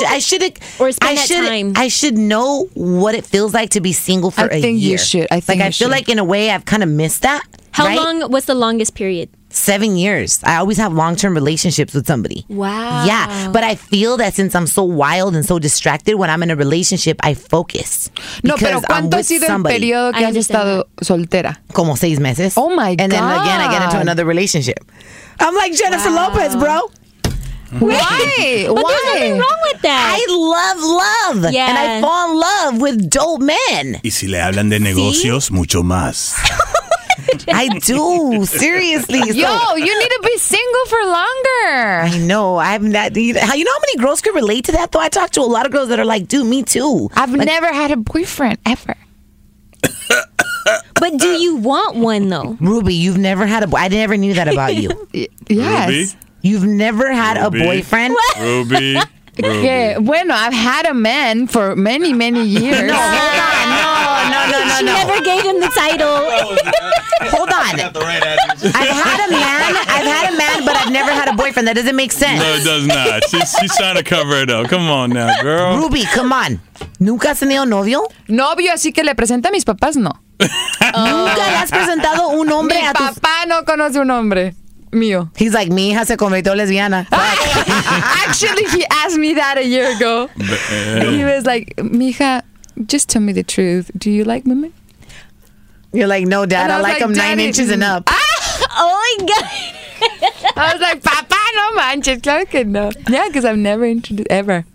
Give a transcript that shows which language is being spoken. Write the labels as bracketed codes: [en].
[en] I should know what it feels like to be single for a year. I think you should. Like, in a way, I've kind of missed that. How long was the longest period? 7 years. I always have long-term relationships with somebody. Wow. Yeah. But I feel that since I'm so wild and so distracted, when I'm in a relationship, I focus. [es] No, pero ¿cuánto ha sido el periodo que has estado soltera? Como 6 meses. [en] Oh, my God. And then again, I get into another relationship. I'm like Jennifer Lopez, bro. Why? But there's nothing wrong with that. I love love. Yeah. And I fall in love with dope men. [es] Y si le hablan de negocios, mucho más. [en] I do, seriously. Yo, you need to be single for longer. I know. You know how many girls could relate to that, though? I talk to a lot of girls that are like, dude, me too. I've never had a boyfriend, ever. But do you want one, though? Ruby, you've never had a boyfriend. I never knew that about you. Yes. Ruby? You've never had a boyfriend? Ruby. Okay, bueno, I've had a man for many, many years. No, hold on. No. She never gave him the title. Hold on. I've had a man, but I've never had a boyfriend. That doesn't make sense. No, it does not. She's trying to cover it up. Come on now, girl. [es] Ruby, [en] come on. [es] ¿Nunca has tenido novio? Novio, así que le presenta a mis papás, no. ¿Nunca le has presentado un hombre a tus... Mi papá no conoce un hombre. Mío. [en] He's like, [es] mi hija se convirtió lesbiana. [en] Actually, he asked me that a year ago. And he was like, mija, just tell me the truth. Do you like women? You're like, no, dad, I like them 9 inches and up. Oh, my God. I was like, [es] papa, no manches, claro que no. [en] Yeah, because I've never introduced, ever.